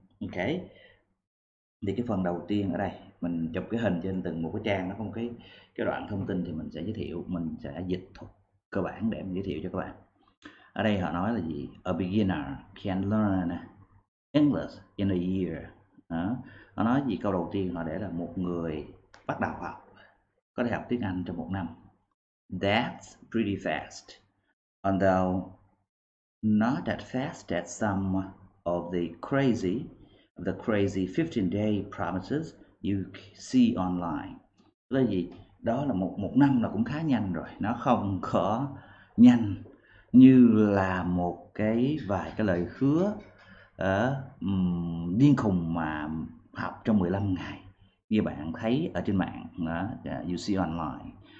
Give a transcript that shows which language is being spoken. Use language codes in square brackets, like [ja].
[vi] Ok, thì cái phần đầu tiên ở đây mình chụp cái hình trên từng một cái trang, nó có một cái đoạn thông tin thì mình sẽ giới thiệu, mình sẽ dịch thuật cơ bản để mình giới thiệu cho các bạn. Ở đây họ nói là gì? [en] A beginner can learn English in a year. [vi] Họ nói gì? Câu đầu tiên họ để là một người bắt đầu học có thể học tiếng Anh trong một năm. [en] That's pretty fast, although not as fast as some of the crazy 15 day promises you see online. [vi] Là gì? Đó là một một năm là cũng khá nhanh rồi, nó không có nhanh như là một cái vài cái lời hứa ở điên khùng mà học trong 15 ngày như bạn thấy ở trên mạng đó, [en] you see online.